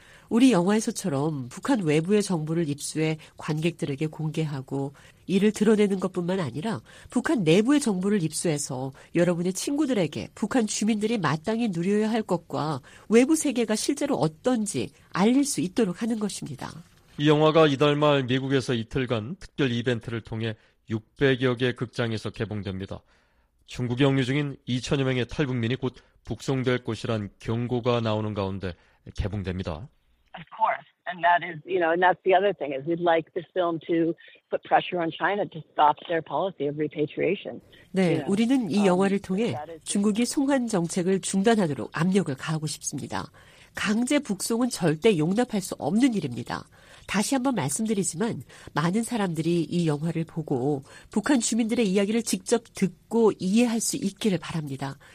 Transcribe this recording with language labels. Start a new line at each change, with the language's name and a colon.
Korean: 우리 영화에서처럼 북한 외부의 정보를 입수해 관객들에게 공개하고 이를 드러내는 것뿐만 아니라 북한 내부의 정보를 입수해서 여러분의 친구들에게 북한 주민들이 마땅히 누려야 할 것과 외부 세계가 실제로 어떤지 알릴 수 있도록 하는 것입니다. 이 영화가 이달 말 미국에서 이틀간 특별 이벤트를 통해 600여 개 극장에서 개봉됩니다. 중국에 억류 중인 2천여 명의 탈북민이 곧 북송될 것이란 경고가 나오는 가운데 개봉됩니다.
English: Of course. And that is, you know, and that's the other thing is we'd like this film to put pressure on China to stop their policy of repatriation. 네, you know?
Korean: 우리는 이 영화를 통해 중국이 송환 정책을 중단하도록 압력을 가하고 싶습니다. 강제 북송은 절대 용납할 수 없는 일입니다. 다시 한번 말씀드리지만 많은 사람들이 이 영화를 보고 북한 주민들의 이야기를 직접 듣고 이해할 수 있기를 바랍니다.